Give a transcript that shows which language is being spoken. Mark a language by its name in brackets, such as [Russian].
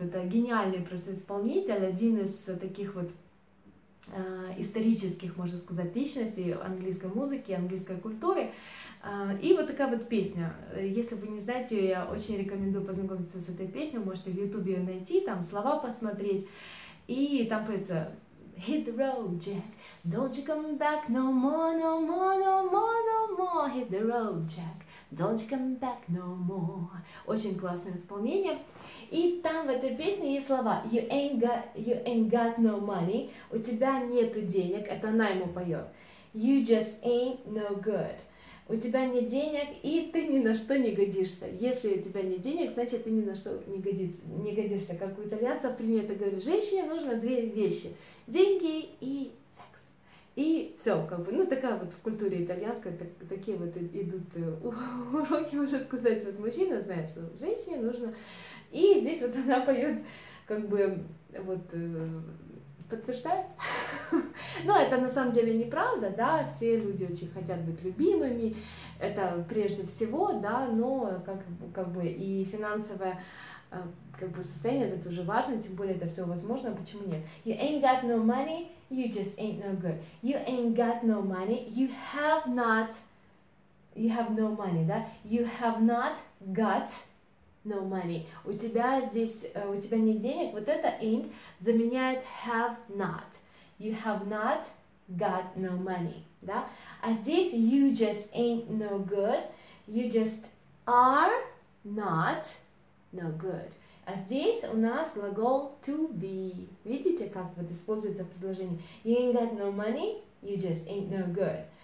[Russian] Это гениальный просто исполнитель, один из таких вот исторических, можно сказать, личностей английской музыки, английской культуры. И вот такая вот песня. Если вы не знаете, я очень рекомендую познакомиться с этой песней. Можете в Ютубе ее найти, там слова посмотреть. И там поется [English] Hit the road, Jack. Don't you come back no more, no more, no more, no more. Hit the road, Jack. Don't you come back no more. [Russian] Очень классное исполнение. И там в этой песне есть слова [English] you ain't got no money. [Russian] У тебя нету денег. Это она ему поет. [English] You just ain't no good. [Russian] У тебя нет денег, и ты ни на что не годишься. Если у тебя нет денег, значит, ты ни на что не годишься. Как у итальянцев принято говорить, женщине нужно две вещи. Деньги и секс. И все, как бы, ну, такая вот в культуре итальянской, такие вот идут уроки, можно сказать. Вот мужчина знает, что женщине нужно. И здесь вот она поет, как бы, вот, подтверждает. Но это на самом деле неправда, да, все люди очень хотят быть любимыми, это прежде всего, да, но как бы и финансовое как бы состояние, это тоже важно, тем более это все возможно, почему нет? [English] You ain't got no money, you just ain't no good. You ain't got no money, you have no money, да, you have not got no money. [Russian] У тебя здесь, у тебя нет денег, вот это ain't заменяет have not. [English] You have not got no money, да? А здесь you just ain't no good. You just are not no good. [Russian] А здесь у нас глагол to be. Видите, как вот используется в предложении? [English] You ain't got no money, you just ain't no good.